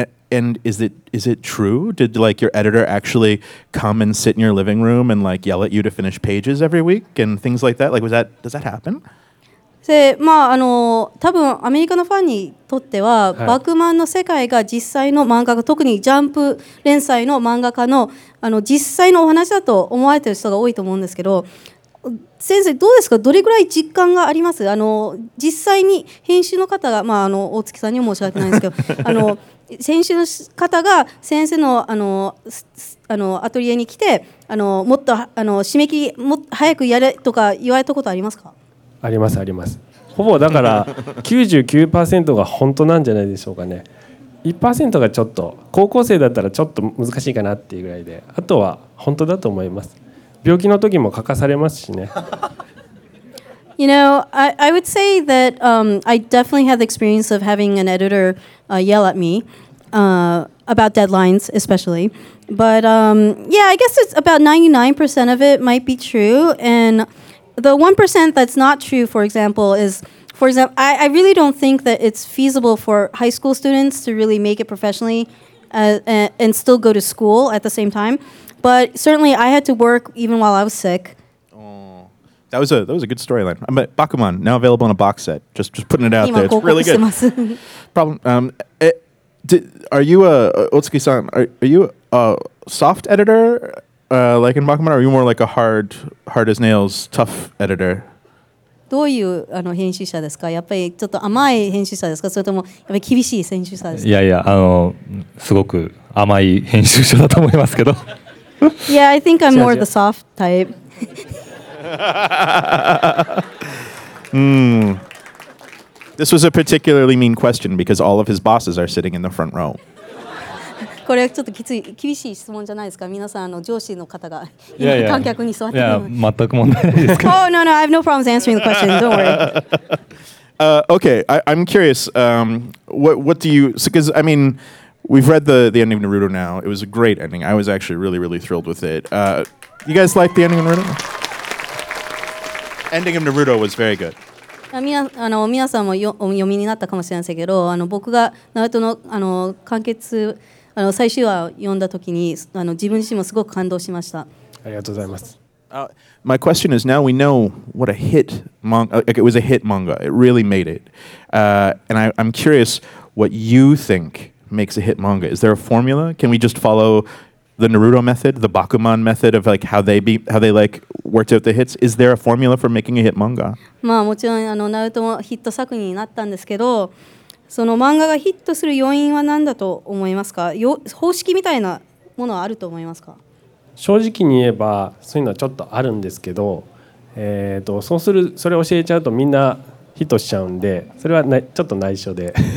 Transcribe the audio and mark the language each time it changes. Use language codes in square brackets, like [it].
[en] And is it true? Did like your editor actually come and sit in your living room and like yell at you to finish pages every week and things like that? Like does that happen? [ja] でまあ、あの多分アメリカのファンにとっては、はい、バクマンの世界が実際の漫画家特にジャンプ連載の漫画家 の実際のお話だと思われている人が多いと思うんですけど先生どうですかどれくらい実感がありますあの実際に編集の方が、まあ、あの大月さんには申し訳ないんですけどあの編集の方が先生 あのアトリエに来てあのもっとあの締め切りも早くやれとか言われたことありますかありますあります。ほぼだから 99% が本当なんじゃないでしょうかね。 1% がちょっと高校生だったらちょっと難しいかなっていうぐらいで、あとは本当だと思います。病気の時も欠かされますしね。 [en] You know, I would say that I definitely had the experience of having an editor yell at me about deadlines, especially. But yeah, I guess it's about 99% of it might be true. And the 1% that's not true, for example, is, for example, I really don't think that it's feasible for high school students to really make it professionally and still go to school at the same time. But certainly I had to work even while I was sick. That was a good storyline. But Bakuman, now available in a box set. Just putting it out there. It's really good. Problem. Are you a Otsuki-san? Are you a soft editor, like in Bakuman, or are you more like a hard as nails, tough editor? [ja] どういう編集者ですか。やっぱりちょっと甘い編集者ですか。それともやっぱり厳しい編集者ですか。いやいや、すごく甘い編集者だと思いますけど。 [en] Yeah, I think I'm more the soft type. This was a particularly mean question because all of his bosses are sitting in the front row. [ja] これはちょっときつい厳しい質問じゃないですか。皆さん上司の方が観客に座っても全く問題ないですか。 [en] Oh no no, I have no problems answering the question. Don't worry. Okay, I'm curious. What do you? Because I mean, we've read the ending of Naruto now. It was a great ending. I was actually really really thrilled with it. You guys like the ending of Naruto? Ending of Naruto was very good. [ja] 皆さんも読みになったかもしれませんけど、僕がナルトの完結最終話を読んだときに自分自身もすごく感動しました。ありがとうございます。 [en] My question is, now we know what a hit manga, like it was a hit manga, it really made it. And I'm curious what you think makes a hit manga. Is there a formula? Can we just follow the Naruto method, the Bakuman method of like how they like worked out the hits? Is there a formula for making a hit manga? [ja] まあもちろんナルトもヒット作になったんですけど、その漫画がヒットする要因は何だと思いますか？方式みたいなものはあると思いますか？正直に言えばそういうのはちょっとあるんですけど、そうするそれを教えちゃうとみんなヒットしちゃうんで、それはちょっと内緒で。